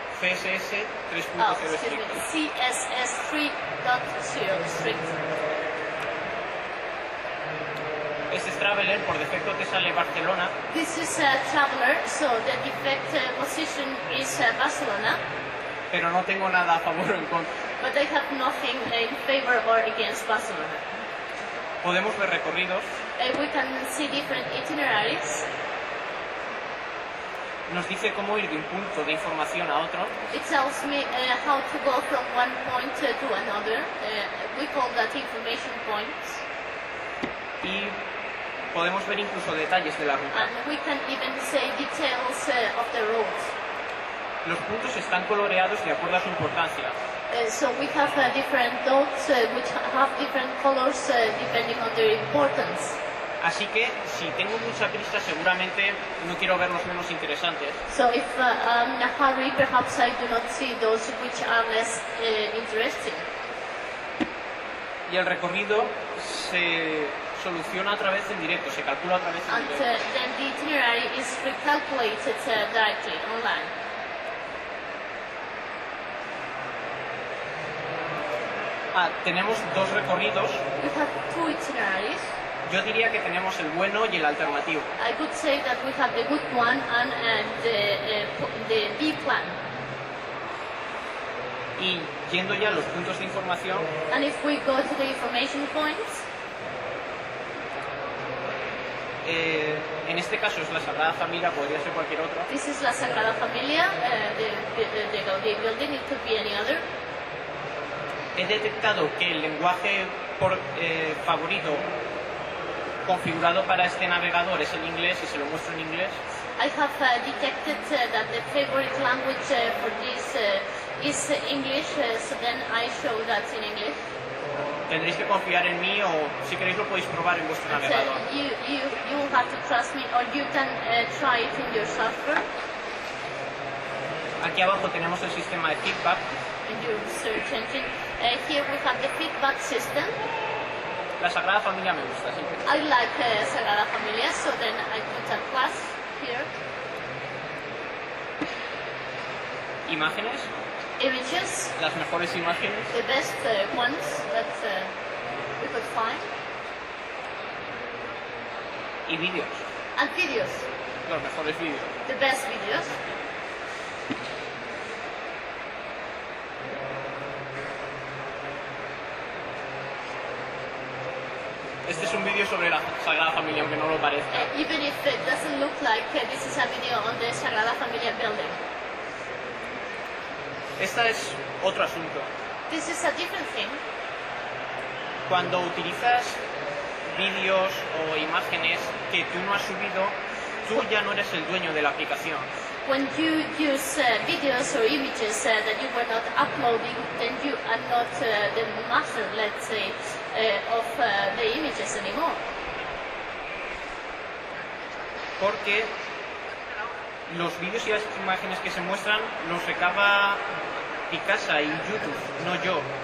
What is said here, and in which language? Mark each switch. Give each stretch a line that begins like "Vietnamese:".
Spanish: CSS 3.0 estricto.
English: CSS 3.0 strict.
Spanish: Este es Traveler, por defecto te sale Barcelona.
English: This is a Traveler, so the defect position is Barcelona.
Spanish: Pero no tengo nada a favor o en contra.
English: But I have nothing in favor or against Barcelona.
Spanish: Podemos ver recorridos.
English: We can see different itineraries.
Spanish: Nos dice cómo ir de un punto de información a otro.
English: It tells me how to go from one point to another. We call that information points.
Spanish: Y podemos ver incluso detalles de la ruta.
English: And we can even say details of the road.
Spanish: Los puntos están coloreados de acuerdo a su importancia.
English: So we have different dots which have different colors depending on their importance.
Spanish: Así que si tengo mucha prisa, seguramente no quiero ver los menos interesantes.
English: So if I'm in a hurry, perhaps I do not see those which are less interesting.
Spanish: Y el recorrido se soluciona a través del directo, se calcula a través del directo.
English: And then the itinerary is recalculated directly online.
Spanish: tenemos dos recorridos.
English: We have two itineraries.
Spanish: Yo diría que tenemos el bueno y el alternativo.
English: I could say that we have the good one and the B plan.
Spanish: Y yendo ya a los puntos de información.
English: And if we go to the information points.
Spanish: En este caso es la Sagrada Familia, podría ser cualquier otra.
English: This is la Sagrada Familia, the Gaudí building, it could be any other.
Spanish: He detectado que el lenguaje favorito configurado para este navegador es el inglés y se lo muestro en inglés.
English: I have detected that the favorite language for this is English, so then I show that in English.
Spanish: Tendréis que confiar en mí o si queréis lo podéis probar en vuestro navegador.
English: You will have to trust me or you can try it in your software.
Spanish: Aquí abajo tenemos el sistema de feedback.
English: In your search engine. Here we have the feedback system.
Spanish: La Sagrada Familia me gusta, sí.
English: I like Sagrada Familia, so then I put a plus here.
Spanish: ¿Imágenes?
English: Images.
Spanish: Las mejores imágenes.
English: The best ones that we could find.
Spanish: Y vídeos.
English: And videos.
Spanish: Los mejores vídeos.
English: The best videos.
Spanish: Este es un vídeo sobre la Sagrada Familia, aunque no lo parezca.
English: Even if it doesn't look like this is a video on the Sagrada Familia building.
Spanish: Este es otro asunto.
English: This is a different thing.
Spanish: Cuando utilizas vídeos o imágenes que tú no has subido, tú ya no eres el dueño de la aplicación.
English: When you use videos or images that you were not uploading, then you are not the master, let's say, of the images anymore.
Spanish: Porque los vídeos y las imágenes que se muestran los recaba Picasa y YouTube, no yo.